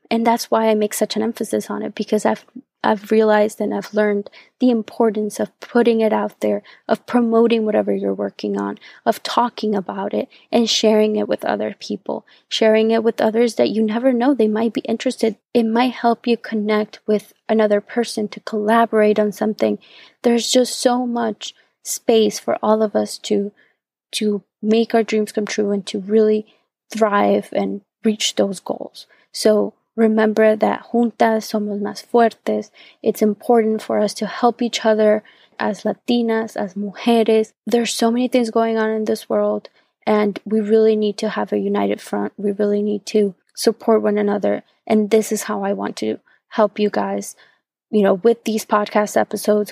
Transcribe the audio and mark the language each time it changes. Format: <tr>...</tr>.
<en>And that's why I make such an emphasis on it, because I've realized and I've learned the importance of putting it out there, of promoting whatever you're working on, of talking about it and sharing it with other people, sharing it with others that you never know, they might be interested. It might help you connect with another person to collaborate on something. There's just so much space for all of us to make our dreams come true and to really thrive and reach those goals. So remember that</en> <es>juntas somos más fuertes.</es> <en>It's important for us to help each other as Latinas, as mujeres. There's so many things going on in this world, and we really need to have a united front. We really need to support one another. And this is how I want to help you guys, you know, with these podcast episodes.</en>